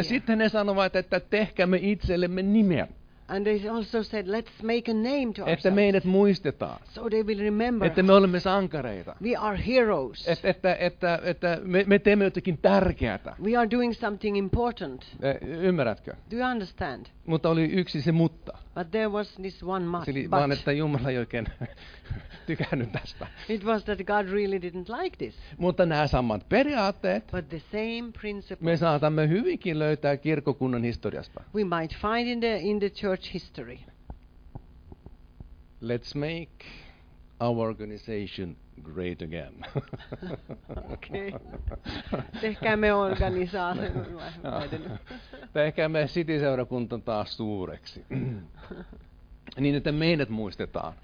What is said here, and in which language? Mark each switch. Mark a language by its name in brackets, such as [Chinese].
[Finnish] Ja sitten ne sanovat, että tehkäämme itsellemme nimeä. [English] And they also said, let's make a name to ourselves. [Finnish] Että meidät muistetaan. [English] So they will remember. [Finnish] Että me olemme sankareita. [English] We are heroes. [Finnish] Että me teemme jotakin tärkeätä. [English] We are doing something important. [Finnish] Ymmärrätkö? [English] Do you understand? [Finnish] Mutta oli yksi se mutta. [English] But there was this one must. [Finnish] Eli vaan, että Jumala ei oikein tykännyt tästä. [English] It was that God really didn't like this. [Finnish] Mutta nämä samat periaatteet. [English] But the same principle. [Finnish] Me saatamme hyvinkin löytää kirkkokunnan historiasta. [English] We might find in the church history. Let's make our organization great again. Okay. [Finnish] Tehkäämme organisaation. Tehkäämme City-seurakunta taas suureksi. Niin, että meidät muistetaan.